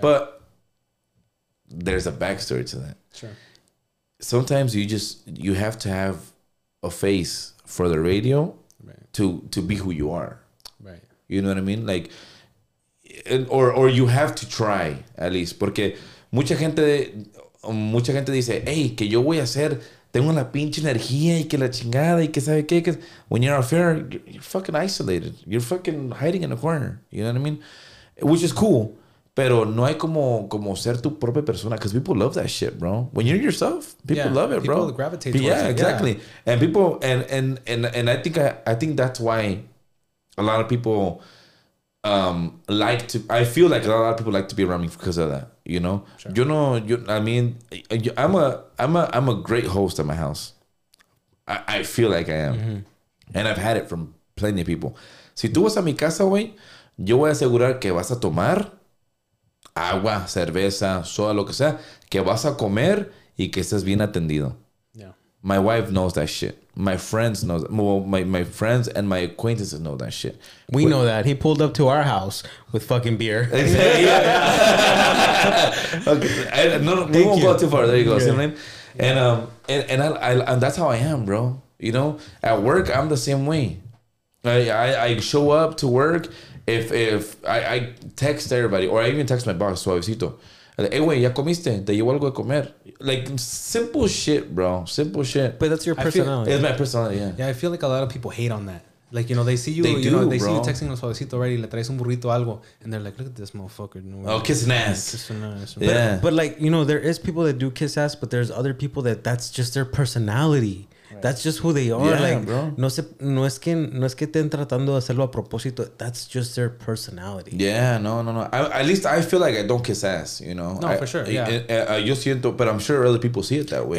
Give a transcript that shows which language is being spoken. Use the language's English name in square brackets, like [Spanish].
[English] But there's a backstory to that. Sure. Sometimes you have to have a face for the radio to be who you are. Right. You know what I mean? Like, or you have to try, at least. [Spanish] Porque mucha gente dice, hey, que yo voy a hacer, tengo la pinche energía y que la chingada y que sabe qué. [English] When you're off air, you're fucking isolated. You're fucking hiding in a corner. You know what I mean? Which is cool. [Spanish] Pero no hay como ser tu propia persona. [English] Because people love that shit, bro. When you're yourself, people yeah, love it, bro. People gravitate towards yeah, it. Exactly. Yeah, exactly. And people, and I think that's why a lot of people like to, I feel like a lot of people like to be around me because of that. You know, sure. I'm a great host at my house. I feel like I am, mm-hmm. and I've had it from plenty of people. [Spanish] Si tú vas a mi casa, güey, yo voy a asegurar que vas a tomar agua, cerveza, soda, lo que sea, que vas a comer y que estés bien atendido. [English] Yeah, my wife knows that shit. My friends know that. Well, my friends and my acquaintances know that shit. We know that. He pulled up to our house with fucking beer. Okay. We won't go too far. There you go. Yeah. See what I mean? Yeah. And that's how I am, bro. You know, at work, I'm the same way. I show up to work. If I text everybody, or I even text my boss, suavecito. [Spanish] Hey, wey, ya comiste? Te llevo algo de comer. [English] Like, simple shit, bro. Simple shit. But that's your personality. It's my personality, yeah. Yeah, I feel like a lot of people hate on that. Like, you know, they see you. They you do, know, they bro. See you texting a suavecito already. [Spanish] Le traes un burrito algo. [English] And they're like, look at this motherfucker. No, oh, kissing ass. Kissing ass. Yeah. But like, you know, there is people that do kiss ass, but there's other people that's just their personality. That's just who they are. Yeah, like, bro. [Spanish] No es que estén tratando de hacerlo a propósito. [English] That's just their personality. Yeah, no. At least I feel like I don't kiss ass, you know? No, for sure, yeah. [Spanish] Yo siento, [English] but I'm sure other people see it that way.